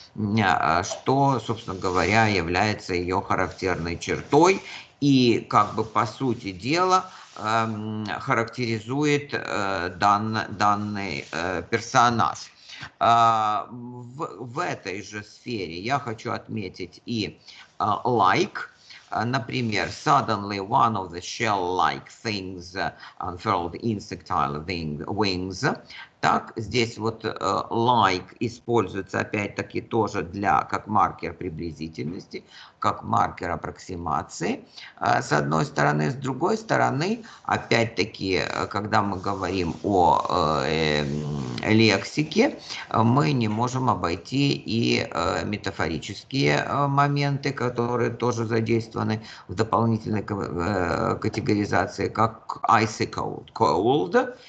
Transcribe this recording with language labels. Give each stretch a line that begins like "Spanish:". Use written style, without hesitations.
Russian: что, собственно говоря, является ее характерной чертой и, как бы, по сути дела, характеризует данный персонаж. В этой же сфере я хочу отметить и like. Например,
English: suddenly one of the shell-like things unfurled insectile wings.
Russian: Так, здесь вот like используется опять-таки тоже для, как маркер приблизительности, как маркер аппроксимации, с одной стороны. С другой стороны, опять-таки, когда мы говорим о лексике, мы не можем обойти и метафорические моменты, которые тоже задействованы в дополнительной категоризации, как icy cold, cold.